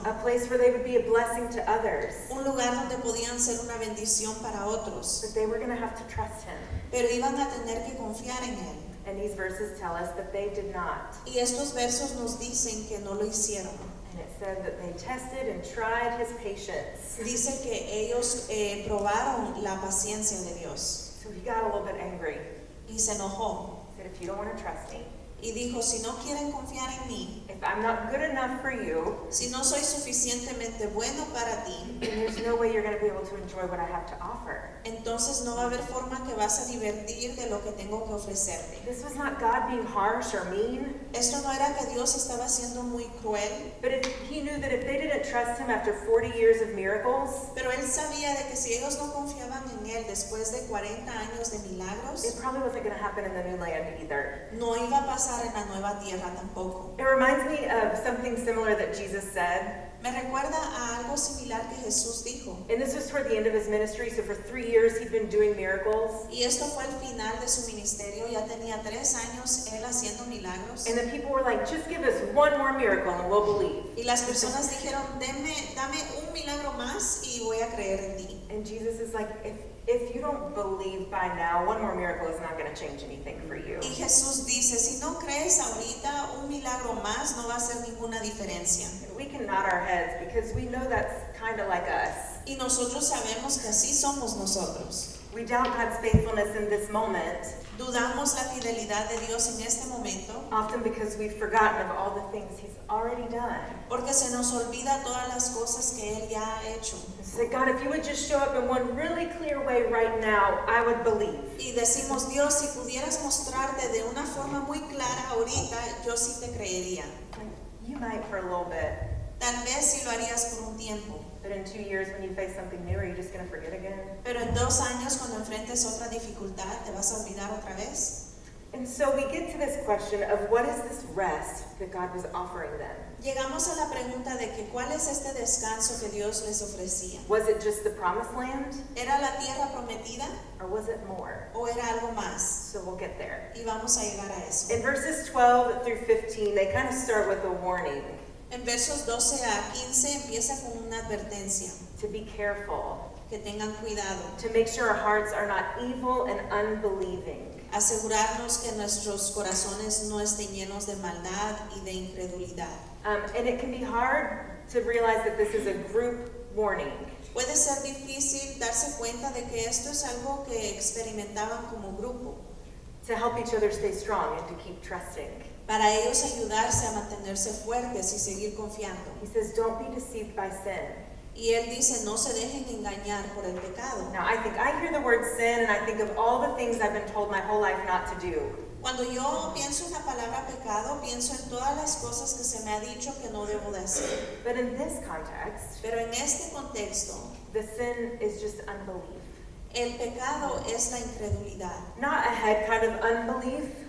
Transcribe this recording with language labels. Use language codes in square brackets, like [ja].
[en] A place where they would be a blessing to others. [es] Un lugar donde podían ser una bendición para otros. [en] But they were going to have to trust him. [es] Pero iban a tener que confiar en él. [en] And these verses tell us that they did not. [es] Y estos versos nos dicen que no lo hicieron. [en] And it said that they tested and tried his patience. [es] Dice que ellos probaron la paciencia de Dios. [en] So he got a little bit angry. [es] Y se enojó. [en] He said, if you don't want to trust me. [es] Y dijo, si no quieren confiar en mí. [en] If I'm not good enough for you. [es] Si no soy suficientemente bueno para ti. [en] Then there's no way you're going to be able to enjoy what I have to offer. [es] Entonces no va a haber forma que vas a divertir de lo que tengo que ofrecerte. [en] This was not God being harsh or mean. [es] Esto no era que Dios estaba siendo muy cruel. [en] But he knew that if they didn't trust him after 40 years of miracles. [es] Pero él sabía de que si ellos no confiaban en él después de 40 años de milagros. [en] It probably wasn't going to happen in the new land either. [es] No iba a pasar en la nueva tierra tampoco. [en] It reminds me of something similar that Jesus said. [es] Me recuerda a algo similar que Jesús dijo. [en] And this was toward the end of his ministry, so for 3 years he'd been doing miracles. [es] Y esto fue el final de su ministerio, ya tenía 3 años él haciendo milagros. [en] And the people were like, just give us one more miracle and we'll believe. [es] Y las personas dijeron, dame un milagro más y voy a creer en ti. [en] And Jesus is like, if you don't believe by now, one more miracle is not going to change anything for you. [es] Y Jesús dice, si no crees ahorita, un milagro más no va a hacer ninguna diferencia. [en] We can nod our heads because we know that's kind of like us. [es] Y nosotros sabemos que así somos nosotros. [en] We doubt God's faithfulness in this moment. [es] Dudamos la fidelidad de Dios en este momento. [en] Often because we've forgotten of all the things he's already done. [es] Porque se nos olvida todas las cosas que él ya ha hecho. [en] Say, God, if you would just show up in one really clear way right now, I would believe. [es] Y decimos, Dios, si pudieras mostrarte de una forma muy clara ahorita, yo sí te creería. [en] You might for a little bit. [es] Tal vez sí lo harías por un tiempo. [en] But in 2 years when you face something new, are you just going to forget again? [es] Pero en 2 años cuando enfrentes otra dificultad, ¿te vas a olvidar otra vez? [en] And so we get to this question of what is this rest that God was offering them? [es] Llegamos a la pregunta de que ¿cuál es este descanso que Dios les ofrecía? [en] Was it just the promised land? [es] ¿Era la tierra prometida? [en] Or was it more? [es] ¿O era algo más? [en] So we'll get there. [es] Y vamos a llegar a eso. [en] In verses 12 through 15, they kind of start with a warning. [es] En versos 12 a 15 empieza con una advertencia. [en] To be careful. [es] Que tengan cuidado. [en] To make sure our hearts are not evil and unbelieving. [es] Asegurarnos que nuestros corazones no estén llenos de maldad y de incredulidad. [en] And it can be hard to realize that this is a group warning. [es] Puede ser difícil darse cuenta de que esto es algo que experimentaban como grupo. [en] To help each other stay strong and to keep trusting. [es] Para ellos ayudarse a mantenerse fuertes y seguir confiando. [en] He says, don't be deceived by sin. [es] Y él dice, no se dejen engañar por el pecado. [en] Now, I think I hear the word sin and I think of all the things I've been told my whole life not to do. [es] Cuando yo pienso en la palabra pecado, pienso en todas las cosas que se me ha dicho que no debo de hacer. [en] But in this context, [es] pero en este contexto, [en] the sin is just unbelief. [es] El pecado es la incredulidad. [en] Not a head kind of unbelief.